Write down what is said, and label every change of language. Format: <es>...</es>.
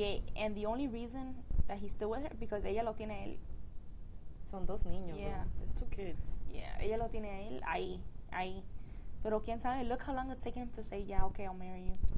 <en>Yeah, and the only reason that he's still with her because</en> <es>ella lo tiene él. Son dos niños.</es> <en>Yeah, bro. It's two kids. Yeah,</en> <es>ella lo tiene él ahí. Pero quién sabe.</es> <en>Look how long it's taken him to say, yeah, okay, I'll marry you.</en>